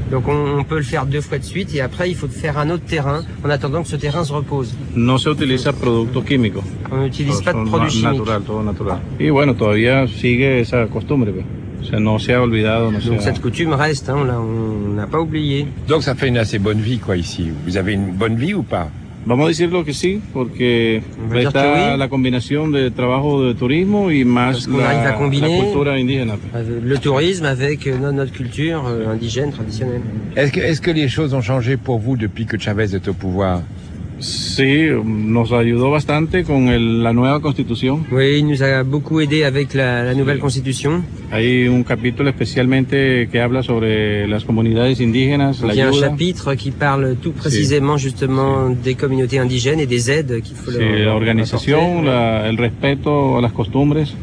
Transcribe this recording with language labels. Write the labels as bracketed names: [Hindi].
[French] Donc on peut le faire deux fois de suite et après, il faut faire un autre terrain en attendant que ce terrain se repose. [Spanish] No se utiliza producto químico. [French] On n'utilise pas de produits chimiques. [Spanish] Natural, todo natural. Y bueno, todavía sigue esa costumbre. [French] Donc cette coutume reste, hein, là, on n'a pas oublié. Donc ça fait une assez bonne vie quoi ici. Vous avez une bonne vie ou pas? [Spanish] Vamos a decirlo que sí, porque está la combinación de trabajo de turismo y más la cultura indígena. [French] Le tourisme avec notre culture indigène traditionnelle. Est-ce que les choses ont changé pour vous depuis que Chavez est au pouvoir? [Spanish] Sí, nos ayudó bastante con la nueva constitución. [French] Oui, il nous a beaucoup aidé avec la nouvelle constitution. [Spanish] Hay un capítulo especialmente que habla sobre las comunidades indígenas. [French] Il y a un chapitre qui parle tout précisément justement des communautés indigènes et des aides qu'il faut leur apporter. [Spanish] La organización, el respeto a las costumbres.